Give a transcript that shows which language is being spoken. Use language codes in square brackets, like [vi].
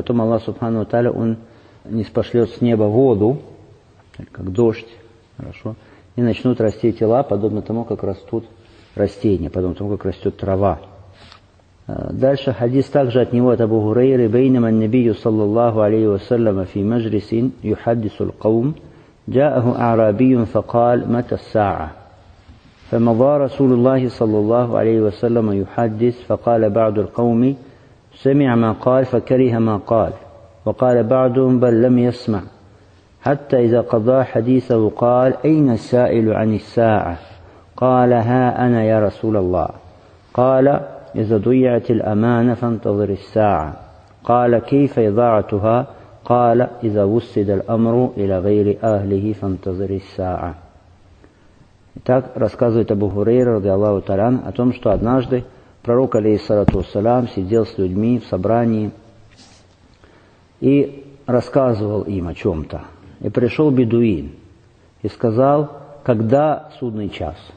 [ru] Потом Аллах Субхану Таля, он ниспошлет с неба воду, как дождь, хорошо, и начнут расти тела, подобно тому, как растут растения, подобно тому, как растет трава. Дальше хадис также от него, от Абу Хурейры: [ar] بينما النبي صلى الله عليه وسلم في مجلس يحدث القوم جاءه أعرابي فقال متى الساعة فمضى رسول الله صلى الله عليه وسلم يحدث فقال بعض القوم سمع ما قال فكره ما قال وقال بعضهم بل لم يسمع حتى إذا قضى حديثه قال أين السائل عن الساعة قال ها أنا يا رسول الله قال إذا ضيعت الأمانة فانتظر الساعة قال كيف إضاعتها قال إذا وسد الأمر إلى غير أهله فانتظر الساعة. [ru] Итак, рассказывает Абу Хурейра, [ar] رضي الله تعالى عنه, [ru] о том, что однажды пророк, алейхиссалату вассалям, сидел с людьми в собрании и рассказывал им о чем-то. И пришел бедуин и сказал, когда судный час.